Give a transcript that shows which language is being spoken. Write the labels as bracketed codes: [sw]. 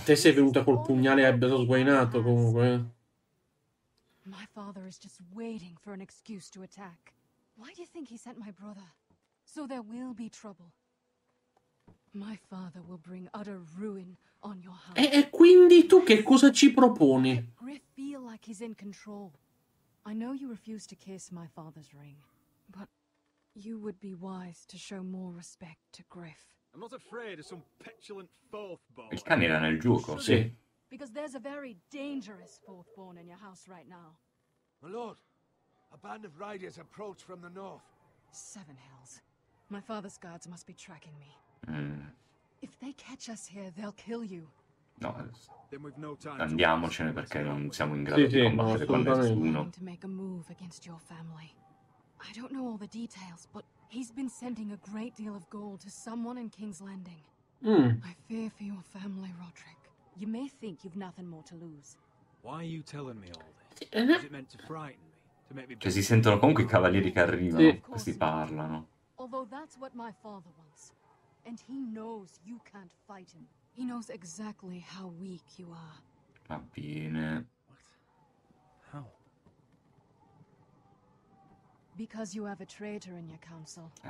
[it] te sei venuta col pugnale e abbia sguainato comunque. [en] My father is just waiting for an excuse to attack. Why do you think he sent my brother? So there will be trouble. My father will bring utter ruin on your house. [it] E quindi tu che cosa ci proponi? [en] Griff feel like he's in control. I know you refuse to kiss my father's ring, but you would be wise to show more respect to Griff. I'm not afraid of some petulant fourth born. [it] Il cane era nel gioco, sì. [en] Because there's a very dangerous fourth born in your house right now. My lord, a band of riders approach from the north. Seven hells. My father's guards must be tracking me. If they catch us here, they'll kill you. No, then we've no time. [it] Andiamocene perché non siamo in grado di combattere con nessuno. [en] To make a move against your family. I don't know all the details, but he's been sending a great deal of gold to someone in King's Landing. I fear for your family, Roderick. You may think you've nothing more to lose. Why are you telling me all this? Is it meant to frighten me? To make me... [it] Cioè, si sentono comunque i cavalieri che arrivano, questi parlano. [en] Although that's what my father wants, and he knows you can't fight him. He knows exactly how weak you are. [it] Va bene. [en] Because you have a traitor in your council.